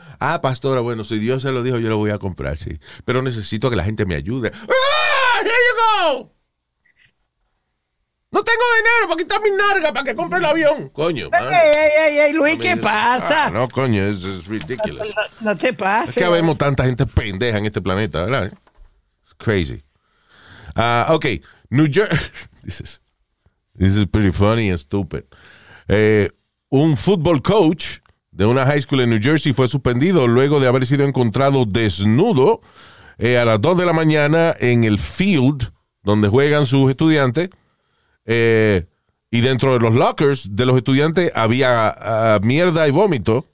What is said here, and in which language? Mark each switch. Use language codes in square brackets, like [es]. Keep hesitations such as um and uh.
[es] Ah, pastora, bueno, si Dios se lo dijo, yo lo voy a comprar, sí. Pero necesito que la gente me ayude. ¡Ah! [en] ¡Here you go! [es] No tengo dinero para quitar mi narga para que compre el avión. Coño, Ey, mano. ey, ey, ey, Luis, [en] I [es] ¿qué [en] mean, it's- [es] pasa? Ah, no, coño, es es [en] ridiculous. [es] No, no te pases. Es que vemos tanta gente pendeja en este planeta, ¿verdad? [en] It's crazy. Ah, ok, New Jersey. This is, this is pretty funny and stupid. [es] Eh, un fútbol coach de una high school en New Jersey fue suspendido luego de haber sido encontrado desnudo eh, a las 2 de la mañana en el field donde juegan sus estudiantes. Eh, y dentro de los lockers de los estudiantes había ah, mierda y vómito